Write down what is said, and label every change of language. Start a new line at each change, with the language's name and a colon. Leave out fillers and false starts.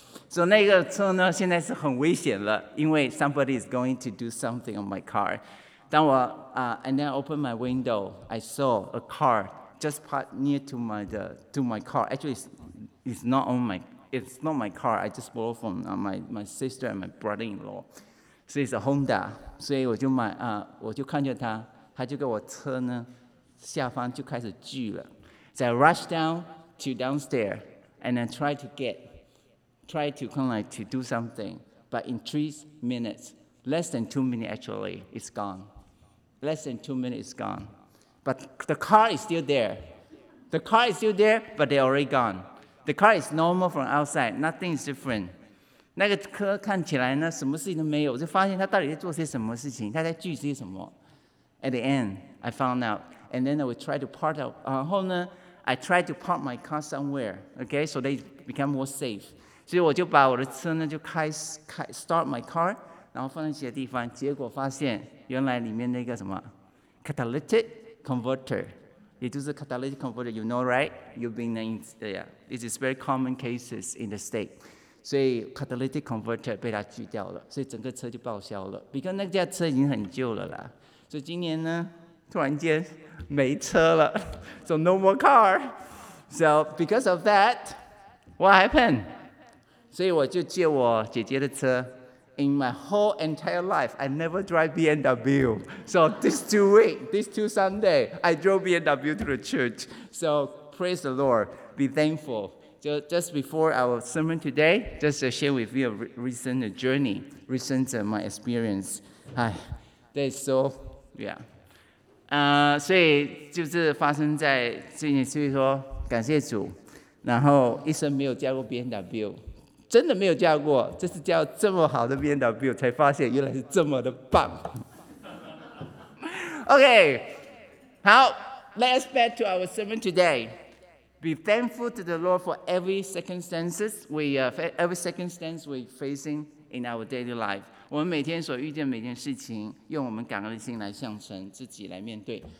English: so
Chinese: 那个车呢现在是很危险了因为
English: somebody is going to do something on my car
Chinese: 当我
English: and then I opened my window, I saw a car just parked near to my car. Actually, it's not my car. I just borrowed from my sister and my brother-in-law. So it's a Honda.
Chinese: 所以我就看着他，他就给我车呢下方就开始锯了。
English: So I rushed down to downstairs and then try to do something. But in 3 minutes, less than 2 minutes actually, it's gone. Less than 2 minutes is gone. But the car is still there. The car is still there, but they're already gone. The car is normal from outside. Nothing is different.
Chinese: 那个车看起来呢，什么事情都没有，就发现他到底在做些什么事情，他在锯些什么。
English: At the end, I found out. And then I would try to park out.
Chinese: 然后呢,
English: I tried to park my car somewhere, okay, so they become more safe.
Chinese: 所以我就把我的车呢，就开
English: start my car,
Chinese: 然后放在一些地方，结果发现原来里面那个什么
English: catalytic converter
Chinese: 也就是
English: catalytic converter you know right you've been in it is very common cases in the state
Chinese: 所以
English: catalytic converter
Chinese: 被它锯掉了所以整个车就报销了
English: because
Chinese: 那架车已经很旧了啦所以今年呢突然间没车了
English: so no more car so because of that what happened
Chinese: 所以我就借我姐姐的车
English: In my whole entire life, I never drive BMW. So these two Sundays, I drove BMW to the church. So praise the Lord, be thankful. Just before our sermon today, just to share with you a recent journey, my experience.
Chinese: So, 真的没有驾过，这次驾这么好的 BMW 才发现原来是这么的棒。
English: OK， 好 ，Let's back to our sermon today. Be thankful to the Lord for every circumstances we're facing in our daily life.
Chinese: 我们每天所遇见每件事情，用我们感恩的心来向神自己来面对。